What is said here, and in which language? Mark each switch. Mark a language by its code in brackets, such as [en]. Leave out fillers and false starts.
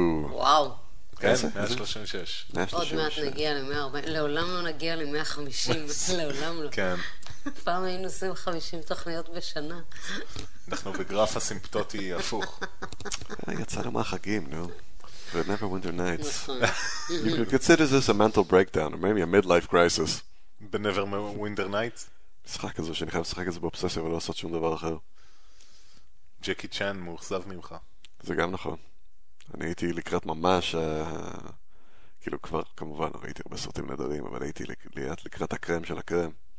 [he] וואו. כן, 136. עוד מעט נגיע ל-140. לעולם לא נגיע ל-150. לעולם לא. כן. פעם היינו עושים 50 תוכניות בשנה. אנחנו בגרף הסימפטוטי הפוך. יצא לנו מהחגים, נו. The Never Winter Nights. נכון. [en] You could consider this a mental breakdown, or maybe a midlife crisis. The Never Winter Nights. [he] משחק כזה, שאני חייב לשחק את זה באובססיה ולא לעשות שום דבר אחר. ג'קי צ'אן מאוכזב ממך. זה גם נכון. אני הייתי לקראת ממש, כאילו כבר כמובן ראיתי הרבה סרטים נדרים, אבל הייתי לקראת הקרם של הקרם.